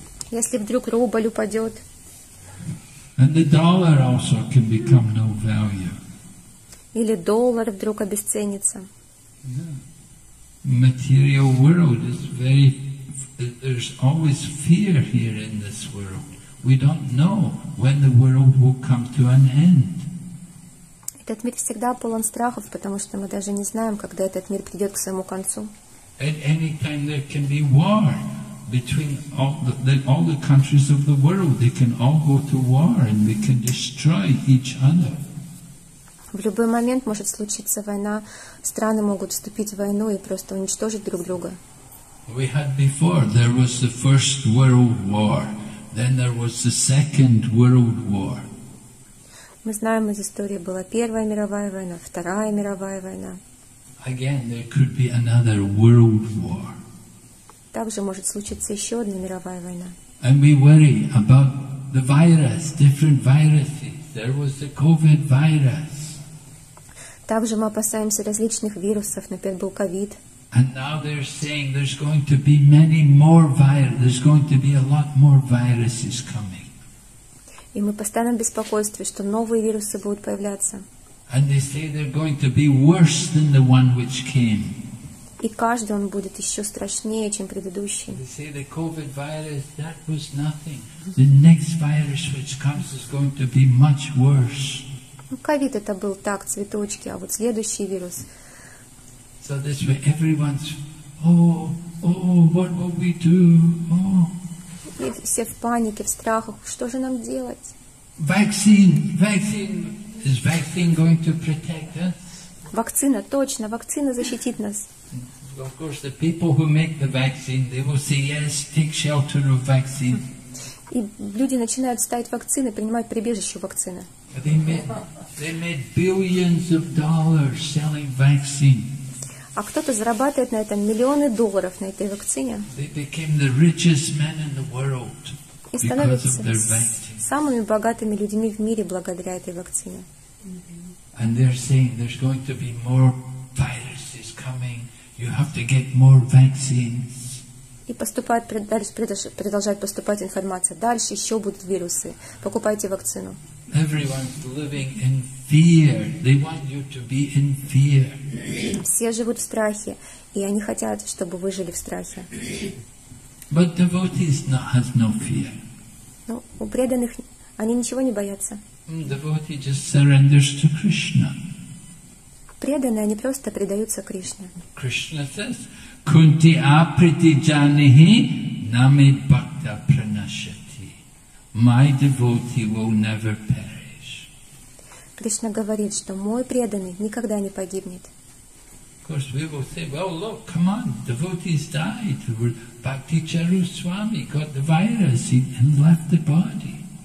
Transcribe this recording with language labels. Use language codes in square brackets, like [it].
[ru] Если вдруг рубль упадет. [en] And the dollar also can become no value. [ru] Или доллар вдруг обесценится. [en] Yeah. Material world is very, there's always fear here in this world. We don't know when the world will come to an end. [ru] Этот мир всегда полон страхов, потому что мы даже не знаем, когда этот мир придет к своему концу. [en] At any time there can be war between all the countries of the world. They can all go to war and they can destroy each other. [ru] В любой момент может случиться война. Страны могут вступить в войну и просто уничтожить друг друга. [en] We had before, there was the First World War. Then there was the Second World War. [ru] Мы знаем из истории, была Первая мировая война, Вторая мировая война. [en] Again, there could be another world war. [ru] Также может случиться еще одна мировая война. [en] And we worry about the virus, different viruses. There was the COVID virus. [ru] Также мы опасаемся различных вирусов, например, был COVID. [en] And now they're saying there's going to be many more virus. There's going to be a lot more viruses coming. [ru] И мы постоянно в беспокойстве, что новые вирусы будут появляться. [en] And they say they're going to be worse than the one which came. [ru] И каждый он будет еще страшнее, чем предыдущий. [en] They say the COVID virus, that was nothing. The next virus which comes is going to be much worse. [ru] Ну, COVID это был так, цветочки, а вот следующий вирус. [en] So this way everyone's, oh, what will we do? Oh. [ru] И все в панике, в страхах. Что же нам делать? [en] Vaccine. Is vaccine going to protect us? [ru] Вакцина, точно, вакцина защитит нас. [en] Of course, the people who make the vaccine, they will say, yes, take shelter of vaccine. [ru] И люди начинают ставить вакцины, принимать прибежище вакцины. [en] They made billions of dollars selling vaccine. [ru] А кто-то зарабатывает на этом миллионы долларов на этой вакцине. [en] They became the richest men in the world. [ru] И становятся самыми богатыми людьми в мире благодаря этой вакцине. [en] And they're saying there's going to be more viruses coming. You have to get more vaccines. [ru] И поступает продолжает поступать информация. Дальше еще будут вирусы. Покупайте вакцину. [en] Everyone's living in fear. They want you to be in fear. [ru] Все живут в страхе, и они хотят, чтобы вы жили в страхе. [en] But devotees has no fear. [ru] Ну, у преданных они ничего не боятся. [en] Devotee just surrenders to Krishna. [ru] Преданные они просто предаются Кришне. [en] Krishna says, [sa] Kunti apriti janihi nami bhakta pranashati. [en] My devotee will never perish. [ru] Кришна говорит, что мой преданный никогда не погибнет. [en] Of course, we will say, "Well, look, come on, devotees died. Bhakti Charu Swami got the virus and left the body."